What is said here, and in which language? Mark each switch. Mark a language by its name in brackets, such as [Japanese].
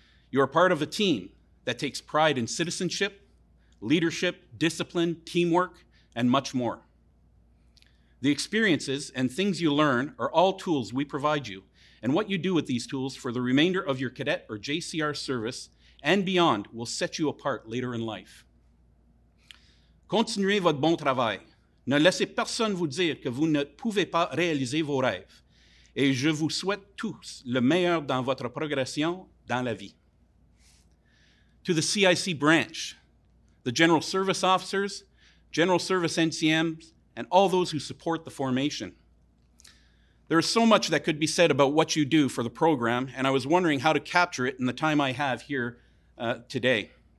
[English] You are part of a team that takes pride in citizenship, leadership, discipline, teamwork, and much more. The experiences and things you learn are all tools we provide you, and what you do with these tools for the remainder of your cadet or JCR service and beyond will set you apart later in life. [French] Continuez votre bon travail. Ne laissez personne vous dire que vous ne pouvez pas réaliser vos rêves. Et je vous souhaite tous le meilleur dans votre progression dans la vie. [English] To the CIC branch, the General Service Officers, General Service NCMs, and all those who support the formation. There is so much that could be said about what you do for the program, and I was wondering how to capture it in the time I have here today.